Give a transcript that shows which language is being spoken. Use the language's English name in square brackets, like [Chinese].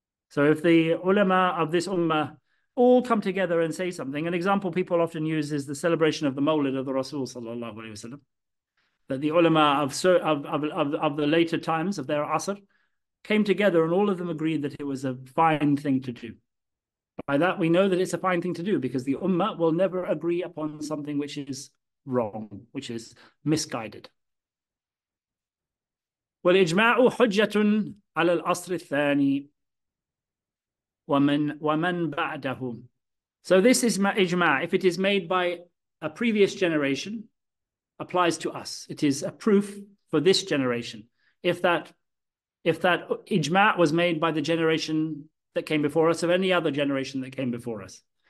[English] So if the ulama of this ummah all come together and say something, an example people often use is the celebration of the Mawlid of the Rasul sallallahu alaihi wasallam, that the ulama of the later times of their asr came together and all of them agreed that it was a fine thing to do. By that we know that it's a fine thing to do, because the ummah will never agree upon something which is wrong, which is misguided. [Arabic] والإجماع حجة على الأصل الثاني ومن بعدهم. [English] So this is إجماع. If it is made by a previous generation, applies to us. It is a proof for this generation. If that إجماع was made by the generation that came before us, of any other generation that came before us.